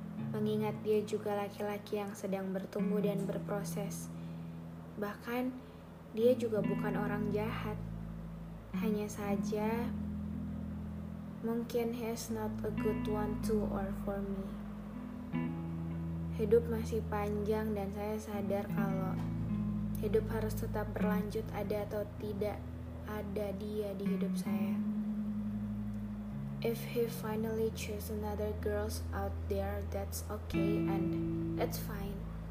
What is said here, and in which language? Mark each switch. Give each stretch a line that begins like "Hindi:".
Indonesian: Mengingat dia juga laki-laki yang sedang bertumbuh dan berproses. Bahkan dia juga bukan orang jahat. Hanya saja mungkin
English: he's not a good one to or for me.
Indonesian: Hidup masih panjang dan saya sadar kalau hidup harus tetap berlanjut ada atau tidak ada dia di hidup saya.
English: If he finally chose another girls out there, that's okay and it's fine.